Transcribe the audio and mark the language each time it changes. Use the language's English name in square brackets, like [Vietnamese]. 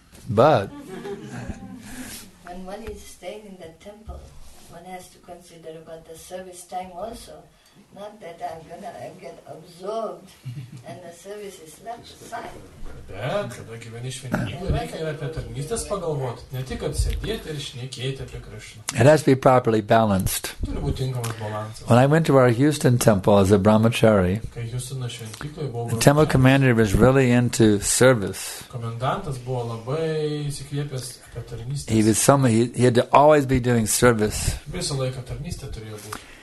[English] But when one is staying in the temple, one has to consider about the service time also. Not that I'm gonna get absorbed and the service is left aside. [Lithuanian] Bet, kada gyveni šventyklą, reikia ir apie tarnystės pagalvoti, ne tik atsėdėti ir šnekėti apie Krishną. [English] It has to be properly balanced. [Lithuanian] Turi būti tinkamas balansas. [English] When I went to our Houston temple as a brahmachari, the temple commander was really into service. [Lithuanian] Komendantas buvo labai įsikvėpęs apie tarnystės. [English] He had to always be doing service. [Lithuanian] Visą laiką tarnystė turėjo būti.